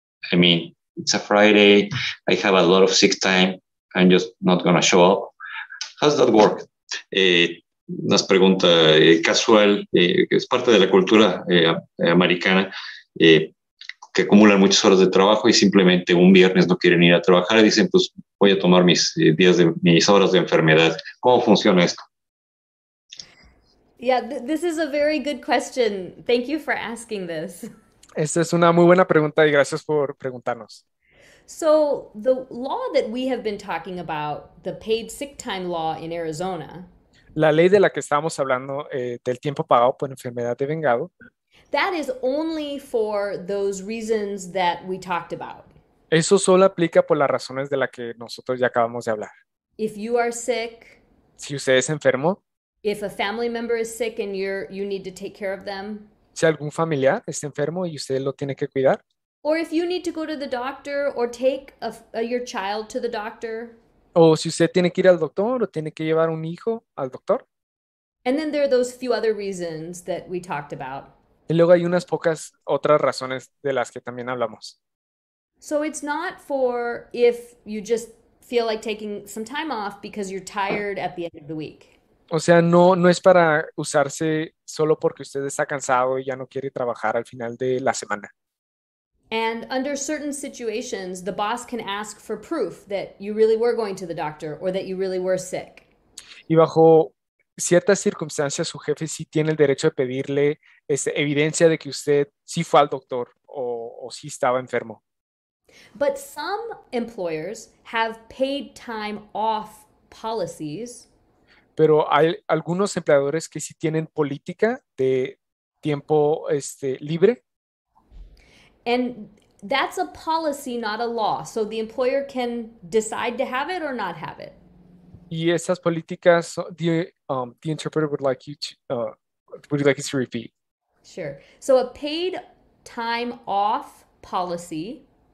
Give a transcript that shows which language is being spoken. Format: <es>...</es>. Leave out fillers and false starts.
<en>It's a Friday, I have a lot of sick time, I'm just not going to show up. How does that work?</en> <es>Una pregunta casual, que es parte de la cultura americana, que acumulan muchas horas de trabajo y simplemente un viernes no quieren ir a trabajar y dicen, pues voy a tomar mis horas de enfermedad. ¿Cómo funciona esto?</es> <en>Yeah, this is a very good question. Thank you for asking this.</en> <es>Esta es una muy buena pregunta y gracias por preguntarnos.</es> <en>So the law that we have been talking about, the paid sick time law in Arizona.</en> <es>La ley de la que estábamos hablando, del tiempo pagado por enfermedad de vengado.</es> <en>That is only for those reasons that we talked about.</en> <es>Eso solo aplica por las razones de la que nosotros ya acabamos de hablar.</es> <en>If you are sick.</en> <es>Si usted es enfermo.</es> <en>If a family member is sick and you need to take care of them.</en> <es>Si algún familiar está enfermo y usted lo tiene que cuidar.</es> <en>Or if you need to go to the doctor or take your child to the doctor.</en> <es>O si usted tiene que ir al doctor o tiene que llevar un hijo al doctor.</es> <en>And then there are those few other reasons that we talked about.</en> <es>Y luego hay unas pocas otras razones de las que también hablamos.</es> <en>So it's not for if you just feel like taking some time off because you're tired at the end of the week.</en> <es>O sea, no es para usarse solo porque usted está cansado y ya no quiere trabajar al final de la semana.</es> <en>And under certain situations, the boss can ask for proof that you really were going to the doctor or that you really were sick.</en> <es>Y bajo ciertas circunstancias, su jefe sí tiene el derecho de pedirle evidencia de que usted sí fue al doctor o sí estaba enfermo.</es> <en>But some employers have paid time off policies.</en> <es>Pero hay algunos empleadores que sí tienen política de tiempo libre.</es> <en>And that's a policy, not a law. So the employer can decide to have it or not have it.</en> <es>Y esas políticas,</es> <en>the interpreter would like you to repeat. Sure. So a paid time off policy.</en>